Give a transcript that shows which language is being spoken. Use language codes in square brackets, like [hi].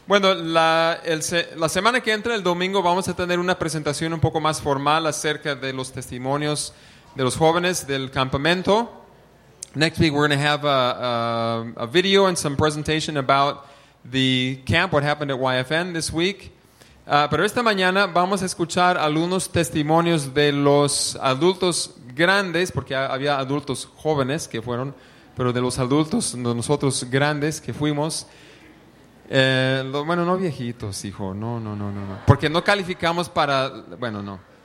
[es] Bueno, la semana que entra, el domingo, vamos a tener una presentación un poco más formal acerca de los testimonios de los jóvenes del campamento. [en] Next week we're going to have a video and some presentation about the camp, what happened at YFN this week. [es] Pero esta mañana vamos a escuchar algunos testimonios de los adultos grandes, porque había adultos jóvenes que fueron, pero de los adultos, de nosotros grandes que fuimos. No viejitos, hijo. Porque no calificamos para... Bueno, no.